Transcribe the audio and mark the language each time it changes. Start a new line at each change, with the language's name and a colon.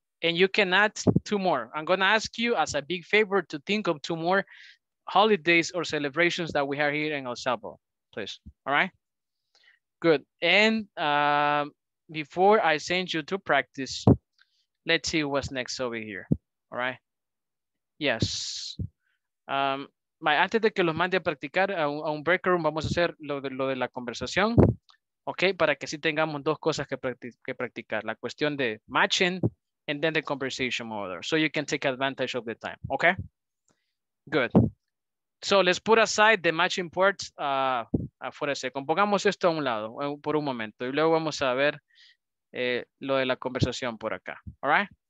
English: And you can add two more. I'm gonna ask you as a big favor to think of two more holidays or celebrations that we have here in El Salvador, please, all right? Good, and before I send you to practice, let's see what's next over here, all right? Yes.
Spanish: Antes de que los mande a practicar a un break room, vamos a hacer lo de la conversación, okay? Para que sí tengamos dos cosas que practicar, la cuestión de matching
English: and then the conversation order, so you can take advantage of the time, okay? Good. So let's put aside the matching part for a second.
Spanish: Pongamos esto a un lado por un momento y luego vamos a ver lo de la conversación por acá, all right?